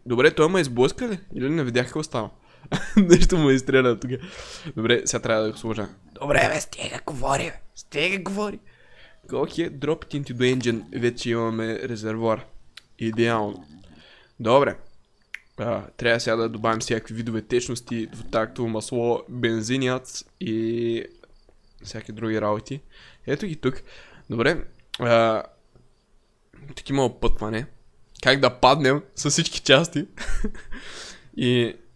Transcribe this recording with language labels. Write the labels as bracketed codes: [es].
[bg] Добре, той ме изблъска ли? Или не видях какво става? Нещо ме изстреля тук. Добре, сега трябва да го сложа. Добре, бе, стига говори, бе. Стига говори. [en] Go ahead, drop it into the engine. [bg] Вече имаме резервуар. Идеално. Добре. Трябва сега да добавим всякакви видове течности, двутактово масло, бензиният и всяки други работи. Ето ги тук. Добре. Тук има опътване. Как да паднем с всички части. И...